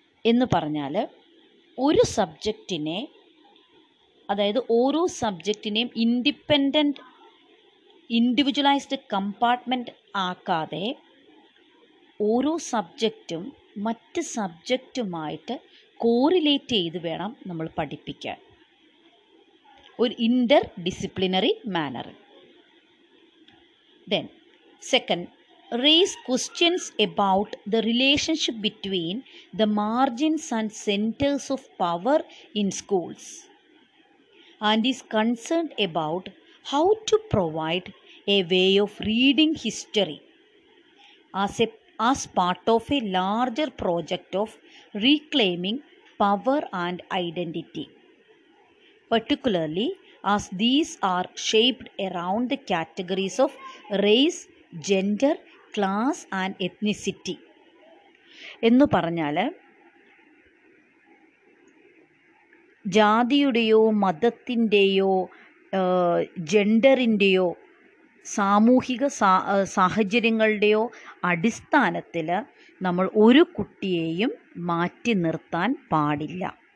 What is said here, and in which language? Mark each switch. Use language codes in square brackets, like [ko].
[ml] എന്ന് പറഞ്ഞാൽ ഒരു സബ്ജക്റ്റിനെ, അതായത് ഓരോ സബ്ജക്റ്റിനെയും ഇൻഡിപ്പെൻഡൻ്റ് ഇൻഡിവിജ്വലൈസ്ഡ് കമ്പാർട്ട്മെൻറ്റ് ആക്കാതെ ഓരോ സബ്ജക്റ്റും മറ്റ് സബ്ജക്റ്റുമായിട്ട് കോറിലേറ്റ് ചെയ്ത് വേണം നമ്മൾ പഠിപ്പിക്കാൻ, ഒരു ഇൻ്റർ disciplinary മാനറിൽ. [en] Then second, raise questions about the relationship between the margins and centers of power in schools and is concerned about how to provide a way of reading history as part of a larger project of reclaiming power and identity, particularly as these are shaped around the categories of race, gender, class and ethnicity. [ml] എന്ന് പറഞ്ഞാൽ ജാതിയുടെയോ മതത്തിൻ്റെയോ ജെൻഡറിൻ്റെയോ സാമൂഹിക സാഹചര്യങ്ങളുടെയോ അടിസ്ഥാനത്തിൽ നമ്മൾ ഒരു കുട്ടിയെയും മാറ്റി നിർത്താൻ പാടില്ല.